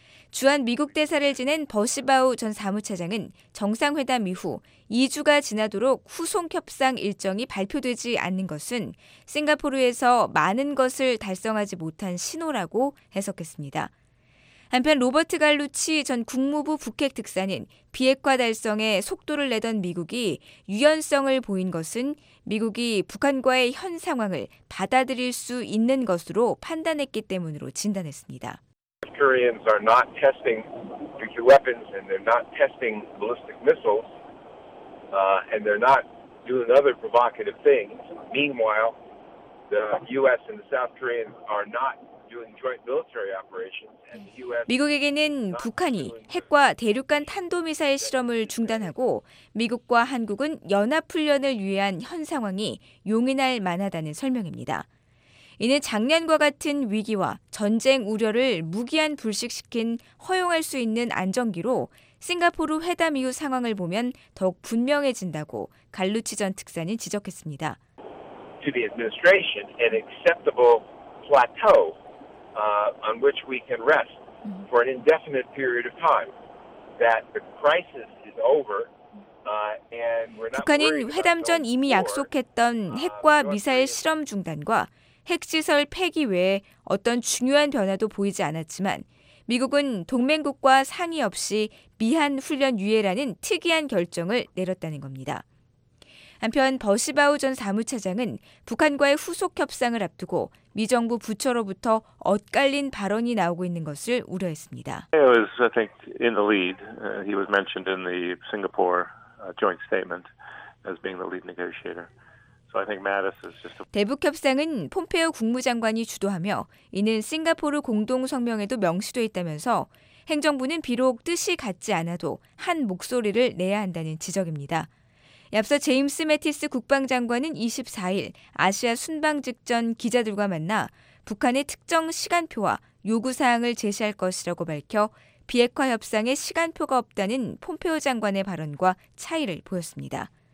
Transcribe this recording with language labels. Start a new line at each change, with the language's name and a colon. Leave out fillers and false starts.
Korean: 주한 미국 대사를 지낸 버시바우 전 사무차장은 정상회담 이후 2주가 지나도록 후속 협상 일정이 발표되지 않는 것은 싱가포르에서 많은 것을 달성하지 못한 신호라고 해석했습니다. 한편 로버트 갈루치 전 국무부 북핵 특사는 비핵화 달성에 속도를 내던 미국이 유연성을 보인 것은 미국이 북한과의 현 상황을 받아들일 수 있는 것으로 판단했기 때문으로 진단했습니다.
English: Koreans are not testing nuclear weapons and they're not testing ballistic missiles and they're not doing other provocative things. Meanwhile, the US and the South Koreans are not
Korean: 미국에게는 북한이 핵과 대륙간 탄도미사일 실험을 중단하고 미국과 한국은 연합훈련을 위한 현 상황이 용인할 만하다는 설명입니다. 이는 작년과 같은 위기와 전쟁 우려를 무기한 불식시킨 허용할 수 있는 안정기로 싱가포르 회담 이후 상황을 보면 더욱 분명해진다고 갈루치 전 특사는 지적했습니다.
English: To the administration, an acceptable plateau. On which we can rest for an indefinite period of time, that the crisis is over, and we're not.
Korean: 북한은 회담 전 이미 약속했던 핵과 미사일 실험 중단과 핵시설 폐기 외에 어떤 중요한 변화도 보이지 않았지만, 미국은 동맹국과 상의 없이 미한 훈련 유예라는 특이한 결정을 내렸다는 겁니다. 한편 버시바우 전 사무차장은 북한과의 후속 협상을 앞두고 미 정부 부처로부터 엇갈린 발언이 나오고 있는 것을 우려했습니다.
English: He was, I think, in the lead. He was mentioned in the Singapore joint statement as being the lead negotiator. So I think Mattis is just.
Korean: 대북 협상은 폼페오 국무장관이 주도하며 이는 싱가포르 공동 성명에도 명시돼 있다면서 행정부는 비록 뜻이 같지 않아도 한 목소리를 내야 한다는 지적입니다. 앞서 제임스 매티스 국방장관은 24일 아시아 순방 직전 기자들과 만나 북한의 특정 시간표와 요구사항을 제시할 것이라고 밝혀 비핵화 협상에 시간표가 없다는 폼페오 장관의 발언과 차이를 보였습니다.